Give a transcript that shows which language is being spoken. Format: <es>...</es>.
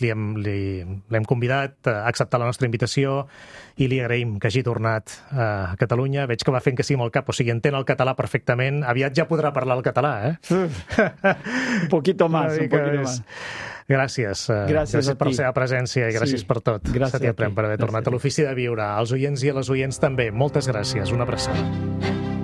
<ca>L'hem convidat a acceptar la nostra invitació i li agraïm que hagi tornat a Catalunya. Veig que va fent que sí amb el cap, o sigui, entén el català perfectament. Aviat ja podrà parlar el català,</ca> <es>Un poquito más, un poquito más.</es> <ca>Gràcies per la seva presència i gràcies per tot. Gràcies per haver tornat a l'ofici de viure. Als oients i a les oients també. Moltes gràcies. Una abraçada.</ca>